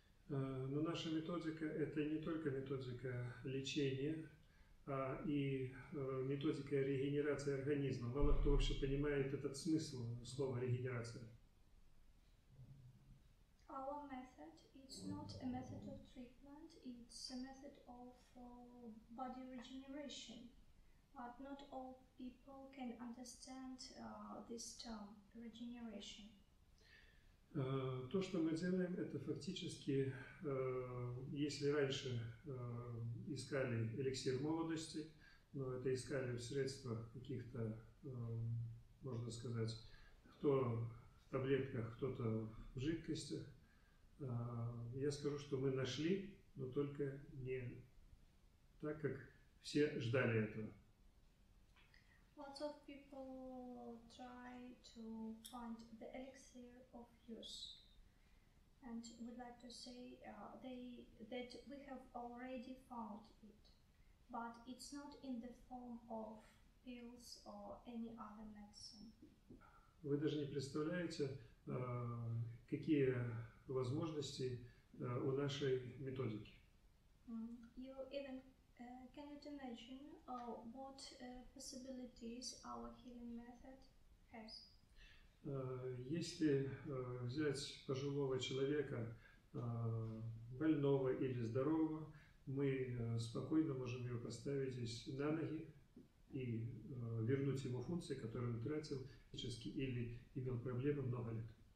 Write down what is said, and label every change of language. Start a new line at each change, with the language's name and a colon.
Russian: Но наша методика – это не только методика лечения, а и методика регенерации организма. Мало кто вообще понимает этот смысл слова «регенерация».
English: Our method – it's not a method of treatment, it's a method of body regeneration. But not all people can understand this term – regeneration.
Russian: То, что мы делаем, это фактически, если раньше искали эликсир молодости, но это искали в средствах каких-то, можно сказать, кто в таблетках, кто-то в жидкостях, я скажу, что мы нашли, но только не так, как все ждали этого.
English: Lots of people try to find the elixir of youth, and we'd like to say that we have already found it, but it's not in the form of pills or any other medicine.
Russian: Вы даже не представляете, какие возможности у нашей методики.
English: You even can you imagine what possibilities our healing method has?
Russian: Если взять пожилого человека, больного или здорового, мы спокойно можем его поставить здесь на ноги и вернуть ему функции, которые он утратил физически или имел проблемы много лет.